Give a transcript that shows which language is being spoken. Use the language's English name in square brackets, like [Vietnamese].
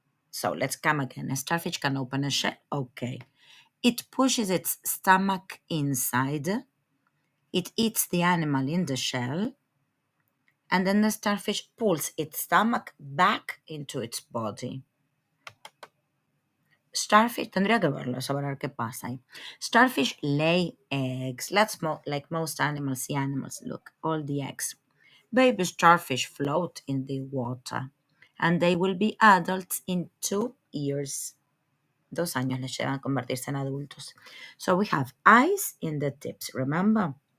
[English] So let's come again. A starfish can open a shell. Okay. It pushes its stomach inside. It eats the animal in the shell. And then the starfish pulls its stomach back into its body. [Spanish] Starfish, tendría que verlo, a ver qué pasa ahí. [English] Starfish lay eggs. Let's like most animals, sea animals, look, all the eggs. Baby starfish float in the water. And they will be adults in 2 years. [Spanish] 2 años les llevan a convertirse en adultos. [English] So we have eyes in the tips, remember?